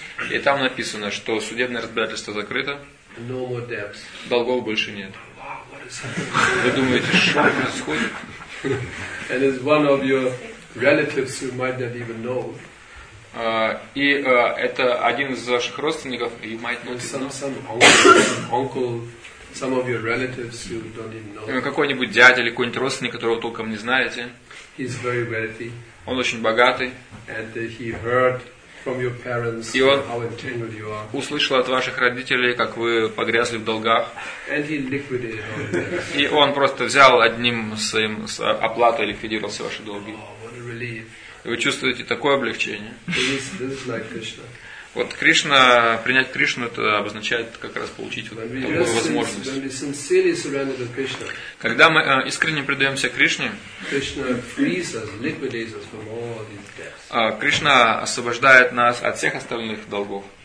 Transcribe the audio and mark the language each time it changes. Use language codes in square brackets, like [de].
[ru] И там написано, что судебное разбирательство закрыто. Долгов больше нет. Вы думаете, что происходит? [en] And it's one of your relatives who might not even know. [ru] И это один из ваших родственников, [en] you might not even know. Some of your relatives you don't even know. [ru] Какой-нибудь дядя или какой-нибудь родственник, которого толком не знаете. [en] He's very wealthy. [ru] Он очень богатый. [en] And he heard from your parents, [ru] и он [en] how entangled you are. [ru] Услышал от ваших родителей, как вы погрязли в долгах. [en] And he liquidated all debts. [ru] И он просто взял одним своим оплатой, ликвидировал все ваши долги. [en] Oh, what a relief. [ru] И вы чувствуете такое облегчение. [en] This is like Krishna. [ru] Вот Кришна, принять Кришну, это обозначает как раз получить вот такую возможность. [en] When we sincerely surrender to Krishna, [ru] когда мы искренне предаемся Кришне, [en] Krishna frees us, liquidates us from all these debts. [ru] Кришна освобождает нас от всех остальных долгов.